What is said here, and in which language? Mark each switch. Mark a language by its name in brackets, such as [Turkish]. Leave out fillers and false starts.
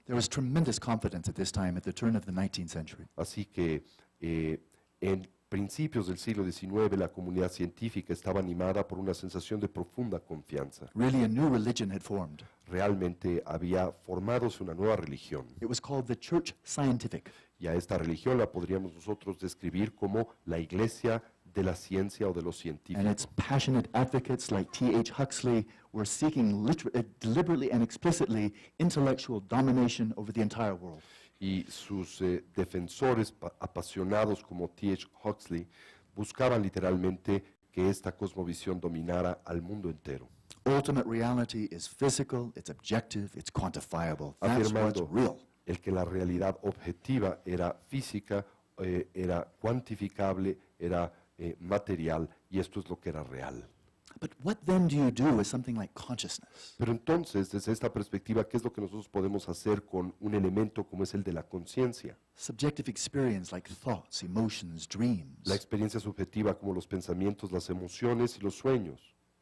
[English] There was tremendous confidence at this time, at the turn of the 19th century. [Spanish] Así que, en principios del siglo XIX, la comunidad científica estaba animada por una sensación de profunda confianza. [English] Really, a new religion had formed. [Spanish] Realmente había formado una nueva religión. [English] It was called the Church Scientific. [Spanish] Y a esta religión la podríamos nosotros describir como la Iglesia de la Ciencia o de los Científicos. [English] And its passionate advocates like T.H. Huxley were seeking deliberately and explicitly intellectual domination over the entire world. [Spanish] Y sus defensores apasionados como T.H. Huxley buscaban literalmente que esta cosmovisión dominara al mundo entero. [English] Ultimate reality is physical, it's objective, it's quantifiable. That's [Spanish] afirmando [English] what's real. [Spanish] El que la realidad objetiva era física, era cuantificable, era material, y esto es lo que era real. [English] But what then do you do with something like consciousness? [Spanish] Pero entonces, desde esta perspectiva, ¿qué es lo que nosotros podemos hacer con un elemento como es el de la conciencia? [English] Subjective experience like thoughts, emotions, dreams. [Spanish] La experiencia subjetiva como los pensamientos, las emociones y los sueños.